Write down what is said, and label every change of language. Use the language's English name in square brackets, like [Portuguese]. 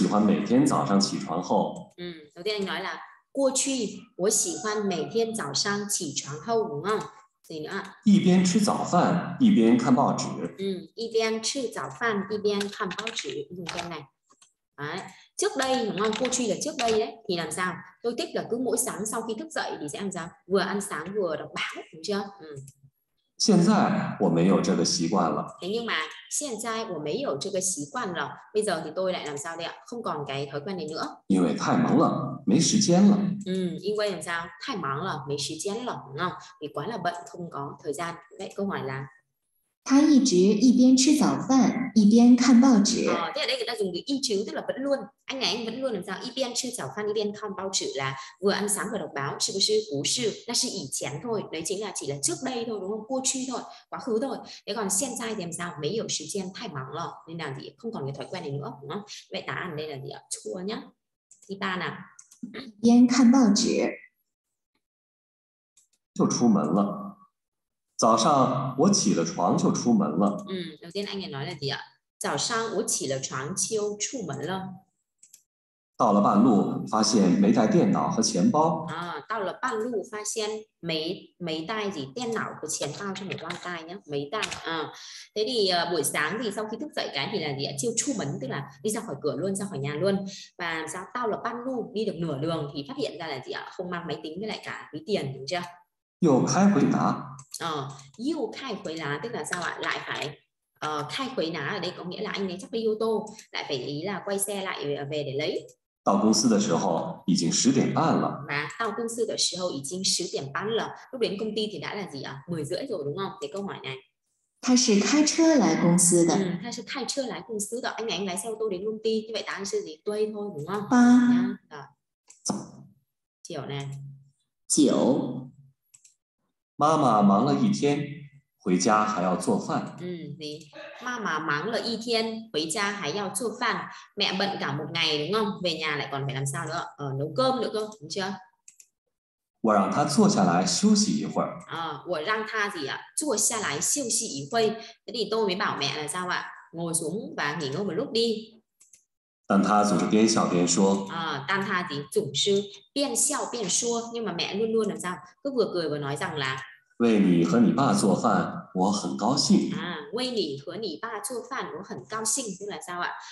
[Chinese] 过去我喜欢每天早上起床后. [Vietnamese] Đầu tiên anh nói là [Chinese] 过去我喜欢每天早上起床后, [Vietnamese] đúng không? [Chinese] 一边吃早饭一边看报纸. 一边吃早饭一边看报纸, [Vietnamese] đúng không? Đấy. Trước đây đúng không? Cô truy là trước đây đấy thì làm sao? Tôi thích là cứ mỗi sáng sau khi thức dậy thì sẽ làm sao? Vừa ăn sáng vừa đọc báo, đúng chưa? [Chinese] 现在我没有这个习惯了. [Vietnamese] Thế nhưng mà [Chinese] 现在我没有这个习惯了. [Vietnamese] Bây giờ thì tôi lại làm sao đây ạ? Không còn cái thói quen này nữa. [Chinese] 因为太忙了，没时间了. [Vietnamese] Vì vậy làm sao? [Chinese] 太忙了，没时间了. [Vietnamese] Đúng không? Vì quá là bận, không có thời gian. Vậy câu hỏi là [Chinese] 他一直一边吃早饭一边看报纸。 [Vietnamese] 哦，thế ở đây người ta dùng cái y chứ, tức là vẫn luôn. Anh này anh vẫn luôn làm sao? [Chinese] 一边吃早饭一边看报纸 [Vietnamese] là vừa ăn sáng vừa đọc báo, [Chinese] 是不是? 不是, 那是以前thôi. [Vietnamese] Đấy chính là chỉ là trước đây thôi, đúng không? 过去thôi, quá khứ thôi. Thế còn hiện tại thì làm sao? [Chinese] 没有时间, 太忙了, [Vietnamese] nên là gì? Không còn cái thói quen này nữa, đúng không? Vậy đáp án đây là gì ạ? Chua nhá. Thứ ba là [Chinese] 一边看报纸就出门了。早上我起了床就出门了。嗯，首先 [Vietnamese] anh ấy nói là gì ạ？ [Chinese] 早上我起了床就出门了。到了半路发现没带电脑和钱包。啊，到了半路发现没带gì电脑和钱包是没忘带呀，没带啊。 [Vietnamese] Thế thì buổi sáng thì sau khi thức dậy cái thì là gì ạ？ [Chinese] 就出门， [Vietnamese] tức là đi ra khỏi cửa luôn, ra khỏi nhà luôn. Và sao [Chinese] 到了半路 [Vietnamese] đi được nửa đường thì phát hiện ra là gì ạ？ không mang máy tính với lại cả ví tiền đúng chưa？ [Chinese] 又开回拿，又开回拿， [Vietnamese] tức là sao ạ? Lại phải, khai khuấy ná ở đây có nghĩa là anh ấy chắc đi ô tô, lại phải ý là quay xe lại về để lấy. [Chinese] 到公司的时候已经十点半了。嘛，到公司的时候已经十点半了。 [Vietnamese] Lúc đến công ty thì đã là gì ạ? Mười rưỡi rồi đúng không? Thế câu hỏi này. [Chinese] 他是开车来公司的。嗯，他是开车来公司的。 [Vietnamese] Anh lái xe ô tô đến công ty, như vậy [Chinese] 答案是 [Vietnamese] gì? Đúng thôi, đúng không? [Chinese] 八。啊。九呢？九。妈妈忙了一天，回家还要做饭。嗯，你妈妈忙了一天，回家还要做饭。 [Vietnamese] mẹ bận cả một ngày đúng không? Về nhà lại còn phải làm sao nữa? Ờ, nấu cơm nữa cơ, đúng chưa? [Chinese] 我让她坐下来休息一会儿。啊，我让她怎样坐下来休息一会儿？你都没把 [Vietnamese] mẹ là sao ạ? Ngồi xuống và nghỉ ngơi một lúc đi。 [Chinese] 但他总是边笑边说。啊，但他的总是边笑边说，因为 [Vietnamese] mẹ luôn luôn làm sao, cứ vừa cười vừa nói rằng là [Chinese] 为你和你爸做饭，我很高兴。啊，为你和你爸做饭，我很高兴， [Vietnamese] tức là sao ạ?